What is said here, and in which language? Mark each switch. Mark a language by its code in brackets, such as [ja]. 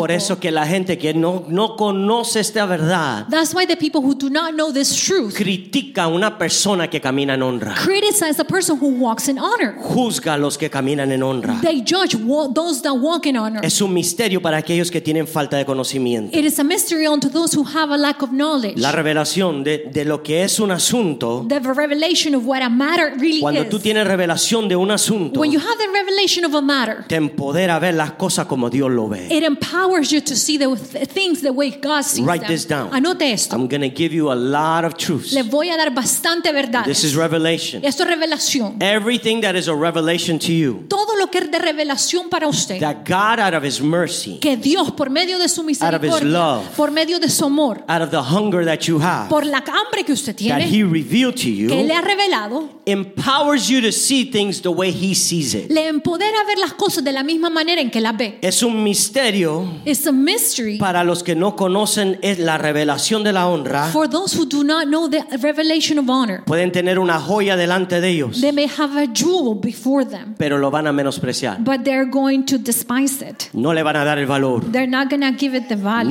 [es] Por eso que la gente que no conoce esta verdad. [en] That's why the people who do not know this truth. [es] Critica a una persona que camina en honra. [en] Criticize a person who walks in honor. [es] Juzga a los que caminan en honra. [en] They judge those that walk in honor. [es] Es un misterio para aquellos que tienen falta de conocimiento. [en] It is a mystery unto those who have a lack of knowledge. [es] La revelación de lo que es un asunto. [en] The revelation of what a matter really [es] cuando [en] is. [es] Cuando tú tienes revelación de un asunto. [en] When you have the revelation of a matter. [es] Te empodera a ver las cosas como Dios lo ve. [en] It empowers you to see the things the way God sees Write Write this down. [es] Anote esto. [en] I'm going to give you a lot of truths. [es] Le voy a dar bastante verdades. [en] This is revelation. [es] Esto es revelación. [en] Everything that is a revelation to you. [es] Todo lo que es de revelación para usted. [en] That God out of his mercy. [es] Que Dios por medio de su misericordia. [en] Out of his love, [es] por medio de su amor, [en] out of the hunger that you have, [es] por la hambre que usted tiene, [en] that he revealed to you, [es] que le ha revelado, [en] empowers you to see things the way he sees it. [es] Le empodera a ver las cosas de la misma manera en que las ve. Es un misterio. [en] It's a mystery. [es] Para los que no conocen es la revelación de la honra. [en] For those who do not know the revelation of honor, [es] pueden tener una joya delante de ellos. [en] They may have a jewel before them, [es] pero lo van a menospreciar. menospreciar. [en] But they're going to despise it. [es] No le van a dar el valor. [en] They're not going to give it the value.